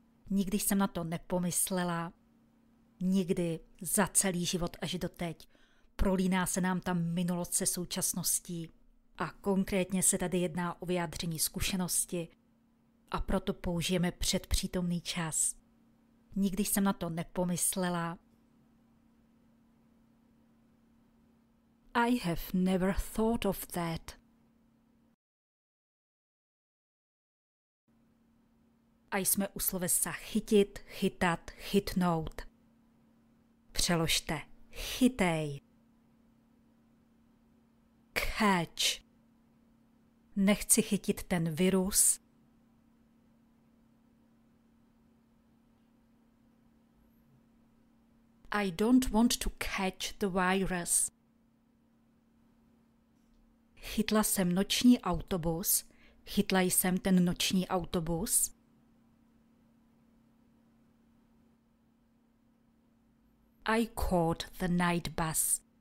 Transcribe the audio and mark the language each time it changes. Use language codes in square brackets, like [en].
[cs] Nikdy jsem na to nepomyslela. Nikdy, za celý život až doteď. Prolíná se nám tam minulost se současností. A konkrétně se tady jedná o vyjádření zkušenosti. A proto použijeme předpřítomný čas. Nikdy jsem na to nepomyslela. [en] I have never thought of that. [cs] A jsme u slovesa chytit, chytat, chytnout. Přeložte. Chytej. [en] Catch. [cs] Nechci chytit ten virus. [en] I don't want to catch the virus. [cs] Chytla jsem noční autobus. Chytla jsem ten noční autobus. [en] I caught the night bus.